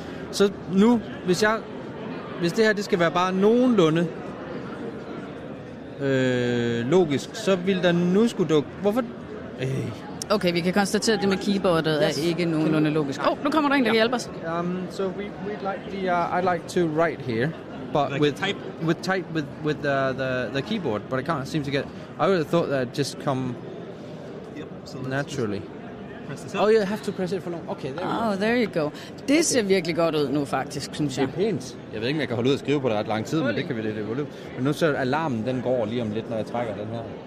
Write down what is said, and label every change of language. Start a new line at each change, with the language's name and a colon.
Danish: Så nu, hvis det her, det skal være bare nogenlunde logisk, så vil der nu skulle dukke... Hvorfor... Okay, vi kan konstatere, at det med keyboardet er ikke nogenlunde logisk. Åh, nu kommer der en, der kan hjælpe os.
English: So we'd like the... I'd like to write here. But like with the keyboard, but I can't seem to get. I would have thought that just come naturally. Press this up. Oh, you have to press it for long. Okay, there you go. Oh, there you go.
Danish: Det ser virkelig godt ud nu faktisk, synes jeg. Det er pænt. Jeg ved ikke, om jeg kan holde ud at skrive på det ret lang tid, men det kan vi det jo løbe. Men nu så alarmen, den går lige om lidt, når jeg trækker den her.